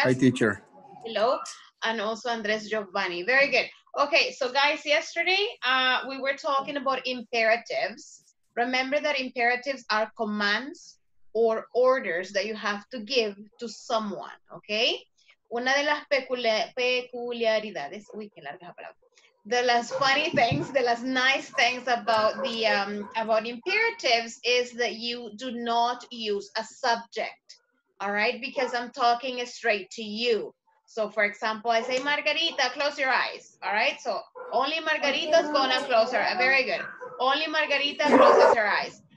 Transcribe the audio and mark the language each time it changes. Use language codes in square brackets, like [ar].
[en] Hi, teacher. Hello. And also Andres Giovanni. Very good. Okay, so guys, yesterday we were talking about imperatives. Remember that imperatives are commands or orders that you have to give to someone, okay? [es] Una de las peculiaridades, uy, qué larga palabra. [en] The last funny things, the last nice things about the about imperatives is that you do not use a subject, all right? Because I'm talking straight to you. So for example, I say, Margarita, close your eyes, all right? So only Margarita's gonna close her, very good. Only Margarita closes her eyes.